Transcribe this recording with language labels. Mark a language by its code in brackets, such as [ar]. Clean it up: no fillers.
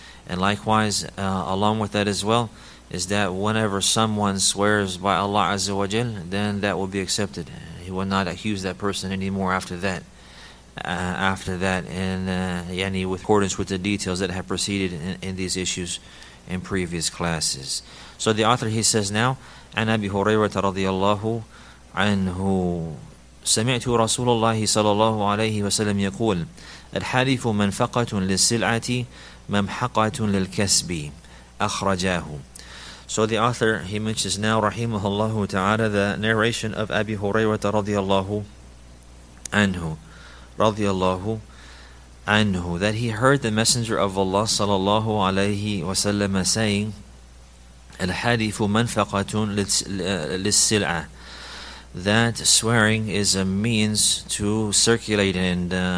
[en] And likewise, along with that as well, is that whenever someone swears by Allah Azza wa Jal, then that will be accepted. He will not accuse that person anymore after that. With accordance with the details that have proceeded in these issues in previous classes. So the author, he says now, [ar] عن أبي هريرة رضي الله عنه سمعت رسول الله صلى الله عليه وسلم يقول الحالف منفقة للسلعة ممحقة للكسب أخرجاه. [en] So the author, he mentions now, رحمه ta'ala, the narration of Abi Hurayrata radiallahu anhu, radiallahu anhu, that he heard the Messenger of Allah sallallahu alayhi wa sallam saying, [ar] الحديث منفقة للسلعة, [en] that swearing is a means to circulate and